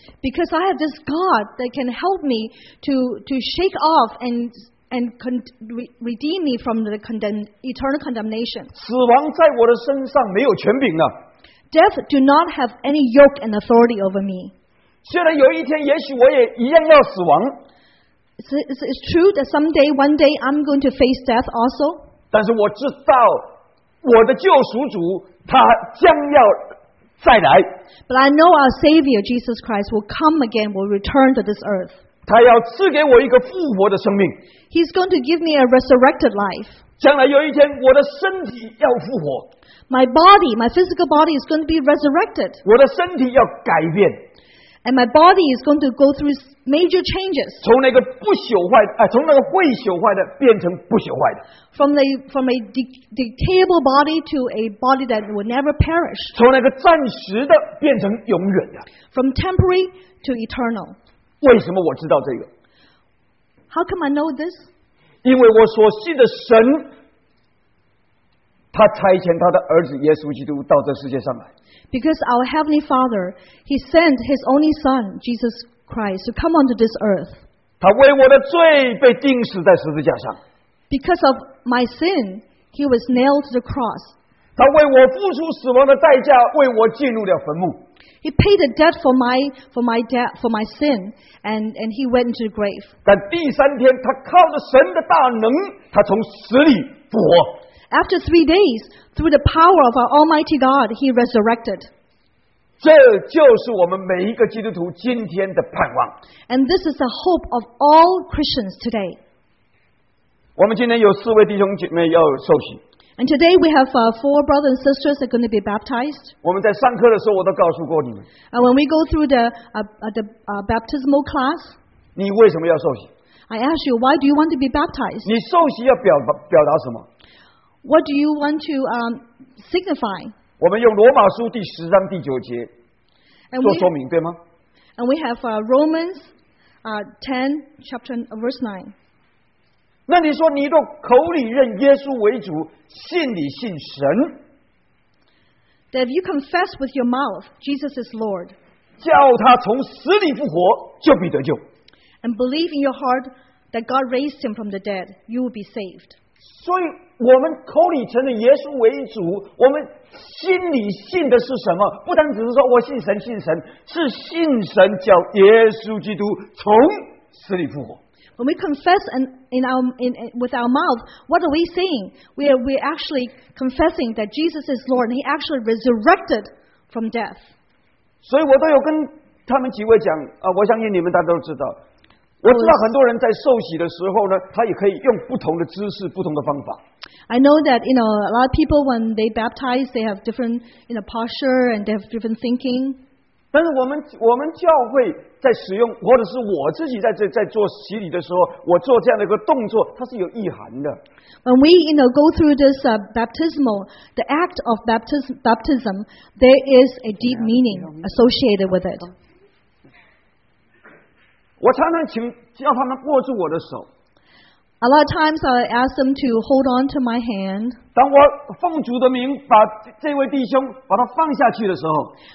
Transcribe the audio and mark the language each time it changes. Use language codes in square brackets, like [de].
[en] Because I have this God that can help me to shake off and redeem me from the eternal condemnation. [zh] 死亡在我的身上没有权柄了。 [en] Death do not have any yoke and authority over me. [zh] 虽然有一天也许我也一样要死亡。 [en] It's true that someday, one day, I'm going to face death also. [zh] 但是我知道我的救赎主他将要再来。 [en] But I know our Savior, Jesus Christ, will come again, will return to this earth. [zh] 他要赐给我一个复活的生命。 [en] He's going to give me a resurrected life. [zh] 将来有一天我的身体要复活。 [en] My body, my physical body is going to be resurrected. [zh] 我的身体要改变。 [en] And my body is going to go through major changes. [zh] 从那个会朽坏的变成不朽坏的。 [en] From a decayable body to a body that will never perish. [zh] 从那个暂时的变成永远的。 [en] From temporary to eternal. [zh] 为什么我知道这个？ [en] How come I know this? [zh] 因为我所信的神，他差遣他的儿子耶稣基督到这世界上来。 [en] Because our Heavenly Father, He sent His only Son, Jesus Christ, to come onto this earth. [zh] 他为我的罪被钉死在十字架上。 [en] Because of my sin, He was nailed to the cross. [zh] 他为我付出死亡的代价，为我进入了坟墓。 [en] He paid the debt for my sin, and he went into the grave. [zh] 但第三天，他靠着神的大能，他从死里复活。 [en] After 3 days, through the power of our Almighty God, he resurrected. [zh] 这就是我们每一个基督徒今天的盼望。 [en] And this is the hope of all Christians today. [zh] 我们今天有四位弟兄姐妹要受洗。 [en] And today we have four brothers and sisters that are going to be baptized. [zh] 我们在上课的时候我都告诉过你们。 [en] When we go through the baptismal class, [zh] 你为什么要受洗？ [en] I ask you, why do you want to be baptized? [zh] 你受洗要表达什么？ [en] What do you want to signify? [zh] 我们用罗马书第十章第九节做说明，对吗？ [en] And we have Romans 10 chapter verse 9。 [zh] 那你说你都口里认耶稣为主，信里信神。 [en] That if you confess with your mouth Jesus is Lord, [zh] 叫他从死里复活，就必得救。 [en] And believe in your heart that God raised him from the dead, you will be saved. [zh] 所以我们口里承认耶稣为主，我们心里信的是什么？不单只是说我信神，信神是信神叫耶稣基督从死里复活。 [en] When we confess and with our mouth, what are we saying? We're actually confessing that Jesus is Lord, and He actually resurrected from death. [zh] 所以我都有跟他们几位讲啊，我相信你们大家都知道。我知道很多人在受洗的时候呢，他也可以用不同的姿势、不同的方法。 [en] I know that you know a lot of people when they baptize, they have different you know posture and they have different thinking. [zh] 但是我们教会在使用，或者是我自己在做洗礼的时候，我做这样的一个动作，它是有意涵的。 [en] When we you know go through this baptismal, the act of baptism, there is a deep meaning associated with it. [zh] 我常常叫他们握住我的手。 [en] A lot of times I ask them to hold on to my hand. [zh] 当我奉主的名把这位弟兄把他放下去的时候